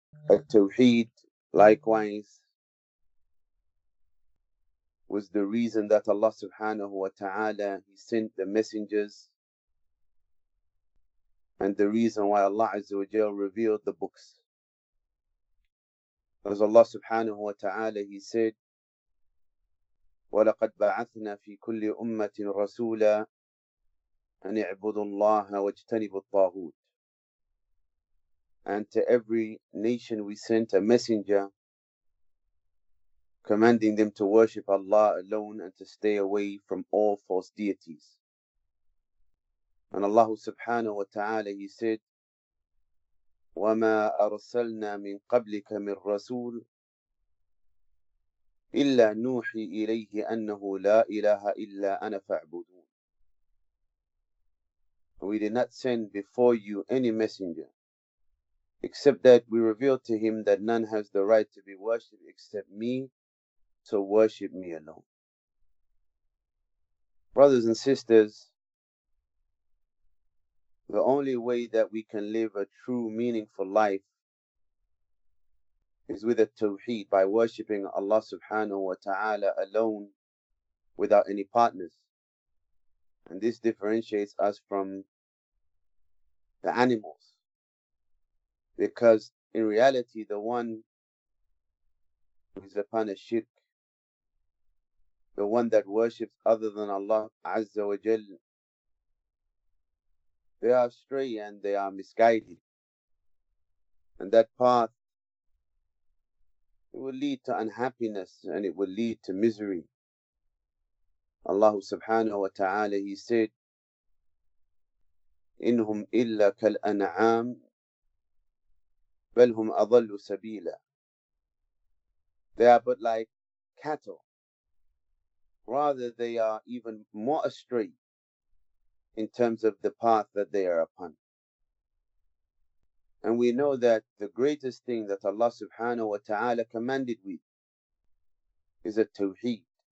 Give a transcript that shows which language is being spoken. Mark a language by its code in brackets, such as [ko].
[en] At-tawheed, likewise, was the reason that Allah subhanahu wa ta'ala, He sent the messengers, and the reason why Allah azza wa jal revealed the books. As Allah subhanahu wa ta'ala, He said, [ar] وَلَقَدْ بَعَثْنَا فِي كُلِّ أُمَّةٍ رَسُولًا أَنْ اِعْبُدُوا اللَّهَ وَاجْتَنِبُوا الطَّاغُوتِ. [en] And to every nation we sent a messenger, commanding them to worship Allah alone and to stay away from all false deities. And Allah subhanahu wa ta'ala, He said, [ar] وَمَا أَرْسَلْنَا مِنْ قَبْلِكَ مِنْ رَسُولٍ إِلَّا نُوحِي إِلَيْهِ أَنَّهُ لَا إِلَهَ إِلَّا أَنَا فَاعْبُدُونَ. [en] We did not send before you any messenger, except that we revealed to him that none has the right to be worshipped except me, so worship me alone. Brothers and sisters, the only way that we can live a true, meaningful life is with a tawheed, by worshipping Allah subhanahu wa ta'ala alone without any partners. And this differentiates us from the animals, because in reality, the one who is upon a shirk, the one that worships other than Allah Azza wa Jal, they are astray and they are misguided. And that path, it will lead to unhappiness and it will lead to misery. Allah subhanahu wa ta'ala, He said, [ar] إِنْهُمْ إِلَّا كَالْأَنْعَامِ بَلْ هُمْ أَضَلُّ سَبِيلًا. [en] They are but like cattle. Rather, they are even more astray in terms of the path that they are upon. And we know that the greatest thing that Allah subhanahu wa ta'ala commanded with is a tawheed.